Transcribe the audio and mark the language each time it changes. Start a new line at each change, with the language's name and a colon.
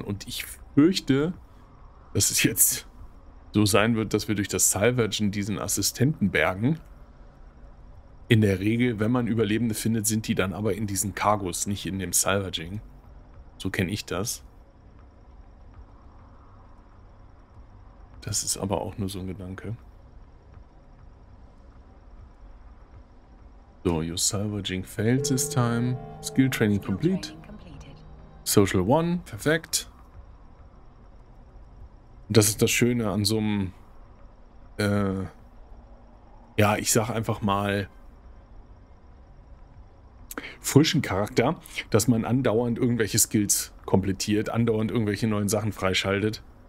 German: Und ich fürchte, dass es jetzt so sein wird, dass wir durch das Salvagen diesen Assistenten bergen. In der Regel, wenn man Überlebende findet, sind die dann aber in diesen Cargos, nicht in dem Salvaging. So kenne ich das. Das ist aber auch nur so ein Gedanke.
English: So, your salvaging failed this time. Skill training complete.
German: Social one, perfekt. Das ist das Schöne an so einem... ich sag einfach mal... frischen Charakter, dass man andauernd irgendwelche Skills komplettiert, andauernd irgendwelche neuen Sachen freischaltet.